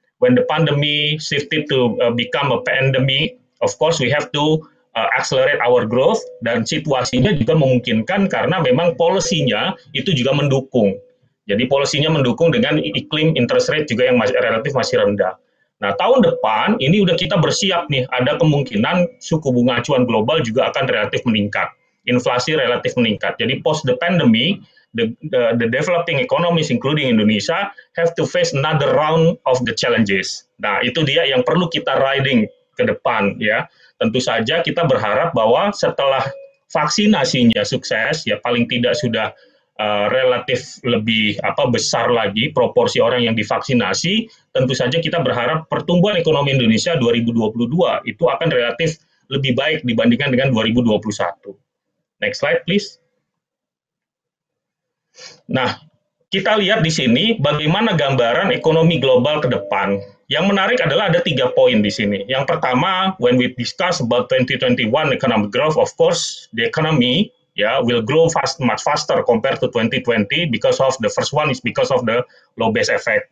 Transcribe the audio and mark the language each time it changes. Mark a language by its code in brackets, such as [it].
[en] When the pandemic shifted to become a pandemic, of course we have to accelerate our growth [id] dan situasinya juga memungkinkan karena memang polisinya itu juga mendukung. Jadi polisinya mendukung dengan iklim interest rate juga yang masih relatif masih rendah. Nah, tahun depan ini udah kita bersiap nih, ada kemungkinan suku bunga acuan global juga akan relatif meningkat. Inflasi relatif meningkat. [en] Jadi post the pandemic, the developing economies including Indonesia have to face another round of the challenges. [id] Nah, itu dia yang perlu kita riding ke depan ya. Tentu saja kita berharap bahwa setelah vaksinasinya sukses ya paling tidak sudah relatif lebih besar lagi proporsi orang yang divaksinasi, tentu saja kita berharap pertumbuhan ekonomi Indonesia 2022 itu akan relatif lebih baik dibandingkan dengan 2021. [en] Next slide, please. [id] Nah, kita lihat di sini bagaimana gambaran ekonomi global ke depan. Yang menarik adalah ada tiga poin di sini. [en] Yang pertama, when we discuss about 2021 economic growth, of course, the economy ya will grow fast, much faster compared to 2020 because of the first one is because of the low base effect.